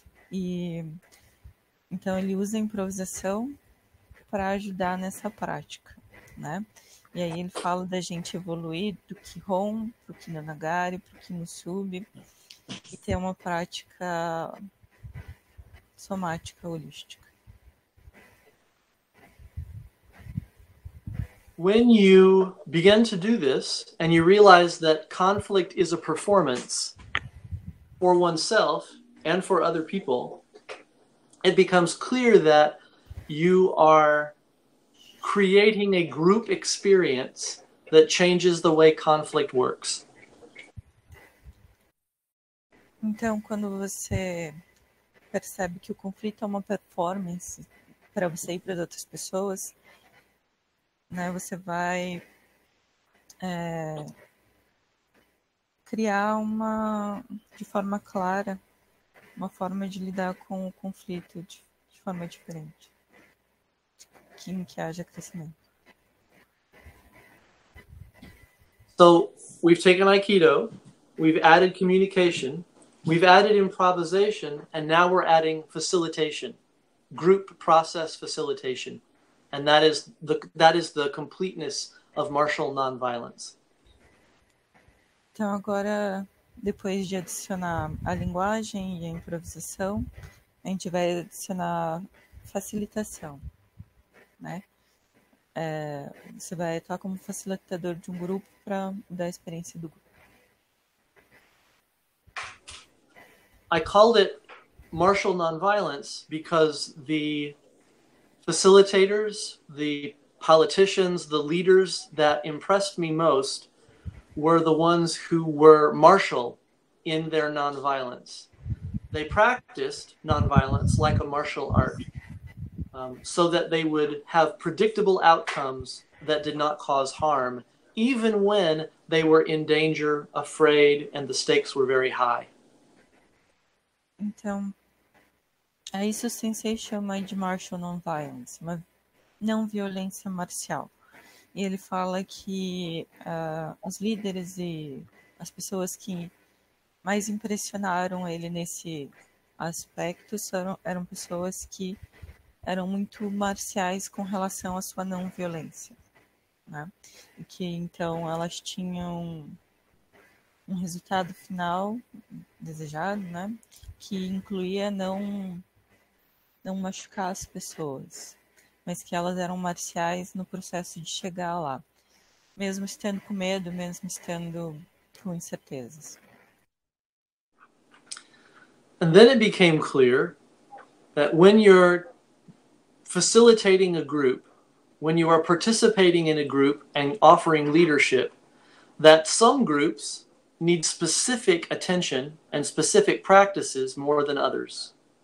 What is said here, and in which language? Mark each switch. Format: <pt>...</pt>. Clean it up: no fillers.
<pt>E, então, ele usa a improvisação para ajudar nessa prática, né? E aí ele fala da gente evoluir do Kihon para o Kinonagari, para o Kimusubi, e ter uma prática somática, holística.</pt> <en>When you begin to do this, and you realize that conflict is a performance for oneself and for other people, it becomes clear that you are creating a group experience that changes the way conflict works.</en> <pt>Então, quando você percebe que o conflito é uma performance para você e para as outras pessoas, né, você vai criar uma, de forma clara, uma forma de lidar com o conflito de forma diferente, em que haja crescimento.</pt> <en>So we've taken Aikido, we've added communication, we've added improvisation, and now we're adding facilitation, group process facilitation, and that is the completeness of martial nonviolence.</en> <pt>Então agora, depois de adicionar a linguagem e a improvisação, a gente vai adicionar facilitação, né? Você vai atuar como facilitador de um grupo para mudar a experiência do grupo.</pt> <en>I called it martial nonviolence because the facilitators, the politicians, the leaders that impressed me most were the ones who were martial in their nonviolence. They practiced nonviolence like a martial art. So that they would have predictable outcomes that did not cause harm, even when they were in danger, afraid, and the stakes were very high.</en> <pt>Então, é isso que o sensei chama de</pt> <en>martial nonviolence,</en> <pt>uma não violência marcial. E ele fala que os líderes e as pessoas que mais impressionaram ele nesse aspecto eram pessoas que eram muito marciais com relação à sua não violência, né? E que então elas tinham um resultado final desejado, né? Que incluía não machucar as pessoas, mas que elas eram marciais no processo de chegar lá, mesmo estando com medo, mesmo estando com incertezas.</pt> <en>And then it became clear that when you're facilitating a group, when you are participating in a group and offering leadership, that some groups need specific attention and specific practices more than others.</en>